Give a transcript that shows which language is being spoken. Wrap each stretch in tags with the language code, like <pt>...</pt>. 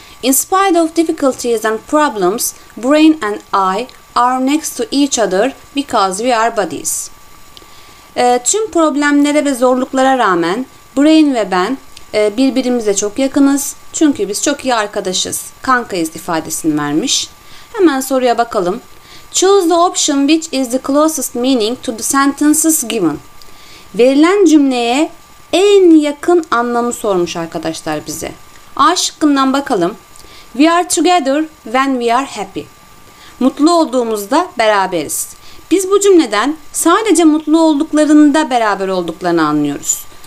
<en>In spite of difficulties and problems, brain and eye are next to each other because we are buddies.</en> <tr>Tüm problemlere ve zorluklara rağmen brain ve ben birbirimize çok yakınız. Çünkü biz çok iyi arkadaşız, kankayız ifadesini vermiş. Hemen soruya bakalım.</tr> <en>Choose the option which is the closest meaning to the sentences given.</en> <tr>Verilen cümleye en yakın anlamı sormuş arkadaşlar bize. A şıkkından bakalım.</tr> <en>We are together when we are happy.</en> <tr>Mutlu olduğumuzda beraberiz. Biz bu cümleden sadece mutlu olduklarında beraber olduklarını anlıyoruz.</tr>